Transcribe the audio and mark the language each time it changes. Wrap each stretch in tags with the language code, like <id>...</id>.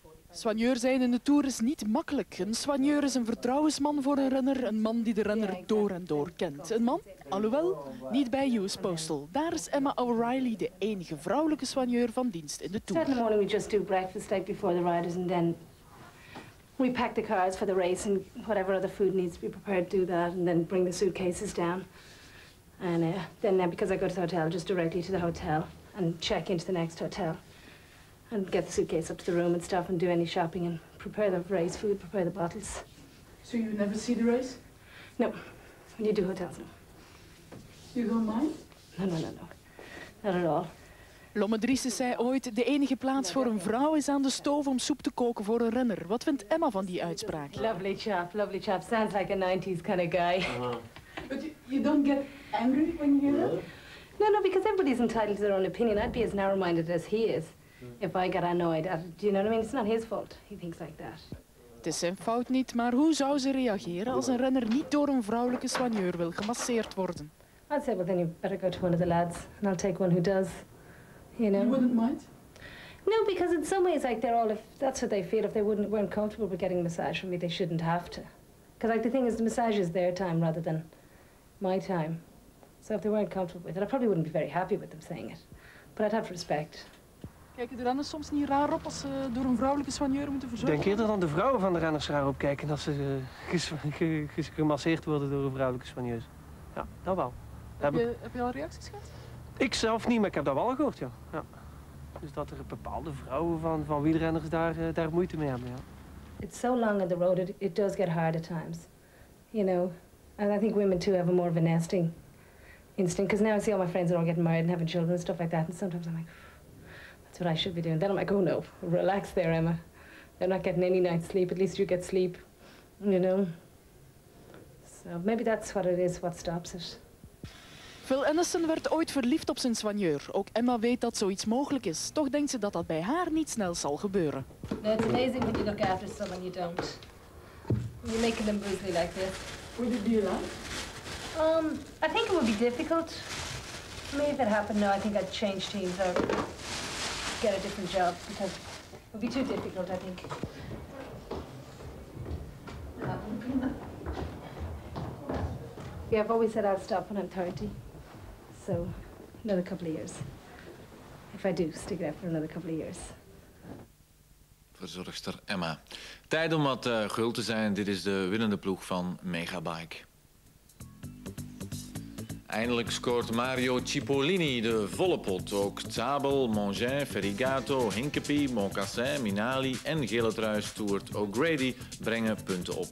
<nl>Soigneur zijn in de Tour is niet makkelijk. Een soigneur is een vertrouwensman voor een renner, een man die de renner door en door kent. Een man, alhoewel, niet bij US Postal. Daar is Emma O'Reilly, de enige vrouwelijke soigneur van dienst in de Tour.</nl> <en>Certainly morning we just do breakfast right before the riders and then we pack the cars for the race and whatever other food needs to be prepared, do that and then bring the suitcases down. And then because I go to the hotel, just directly to the hotel and check into the next hotel. And get the suitcase up to the room and stuff and do any shopping and prepare the race food, prepare the bottles. So you never see the race? No. When you do hotels, no. You don't mind? No. Not at all.</en> <nl>Lomme Driessen zei ooit, de enige plaats voor een vrouw is aan de stoof om soep te koken voor een renner. Wat vindt Emma van die uitspraak?</nl> <en>Lovely chap. Sounds like a 90s kind of guy. But you don't get angry when you hear that? No, because everybody's entitled to their own opinion. I'd be as narrow-minded as he is. If I get annoyed at it, do you know what I mean? It's not his fault. He thinks like that.</en> <nl>Het is zijn fout niet, maar hoe zou ze reageren als een renner niet door een vrouwelijke soigneur wil gemasseerd worden?</nl> <en>I'd say, well, then you better go to one of the lads and I'll take one who does. You know. You wouldn't mind? No, because in some ways, like they're all, if that's what they feel, if they weren't comfortable with getting a massage from me, they shouldn't have to. Because like the thing is, the massage is their time rather than my time. So if they weren't comfortable with it, I probably wouldn't be very happy with them saying it. But I'd have respect.</en> <nl>Kijken de renners soms niet raar op als ze door een vrouwelijke soigneur moeten verzorgen? Ik denk eerder dan de vrouwen van de renners raar op kijken als ze gemasseerd worden door een vrouwelijke soigneur. Ja, dat wel. Heb je al reacties gehad? Ik zelf niet, maar ik heb dat wel gehoord, ja. Ja. Dus dat er bepaalde vrouwen van wielrenners daar moeite mee hebben, ja.</nl> <en>It's so long on the road, it does get hard at times. You know, and I think women too have a more of a nesting instinct. Because now I see all my friends are all getting married and having children and stuff like that. And sometimes I'm like, that's what I should be doing. Then I'm like, oh no, relax there, Emma. They're not getting any night's sleep. At least you get sleep, you know. So maybe that's what it is, what stops it.</en> <nl>Phil Anderson werd ooit verliefd op zijn soigneur. Ook Emma weet dat zoiets mogelijk is. Toch denkt ze dat dat bij haar niet snel zal gebeuren.</nl> <en>No, it's amazing when you look after someone you don't. You're making them boozy like this. Would it be like? I think it would be difficult. Maybe if it happened now, I think I'd change teams or get a different job because it would be too difficult, I think. Yeah, I've always said I'll stop when I'm 30. So another couple of years. If I do, stick it out for another couple of years.</en> <nl>Verzorgster Emma. Tijd om wat gul te zijn. Dit is de winnende ploeg van Megabike. Eindelijk scoort Mario Cipollini de volle pot. Ook Zabel, Mongin, Ferrigato, Hinkepie, Moncassin, Minali en gele trui Stuart O'Grady brengen punten op.</nl>